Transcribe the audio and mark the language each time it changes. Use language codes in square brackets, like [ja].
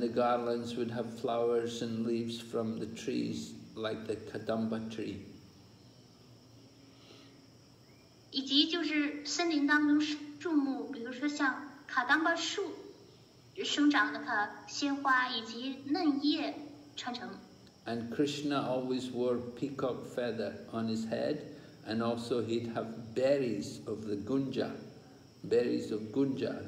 [en] the garlands would have flowers and leaves from the trees, like the Kadamba tree. [zh] 以及就是森林当中树木，比如说像卡当巴树生长的卡鲜花，以及嫩叶串成。 [en] And Krishna always wore peacock feather on his head, and also he'd have berries of the gunja, berries of gunja.